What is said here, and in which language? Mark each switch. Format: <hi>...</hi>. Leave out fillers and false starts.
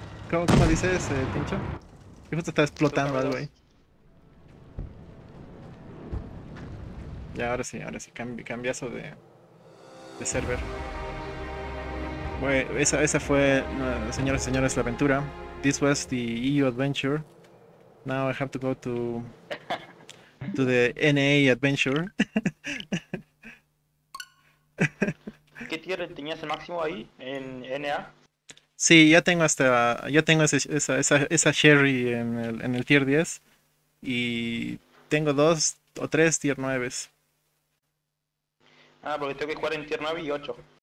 <es>¿Cómo dices, Tincho? Y justo está explotando algo ahí. Ya, ahora sí, cambiazo de... de server. Bueno, esa fue, señores y señores, la aventura.</es> <en>This was the EU adventure. Now I have to go to the NA adventure.</en> <es>¿Qué tier tenías el máximo ahí en NA? Sí, ya tengo hasta, ya tengo esa Sherry en el tier 10 y tengo dos o tres tier 9. Ah, porque tengo que jugar en tier 9 y 8.</es>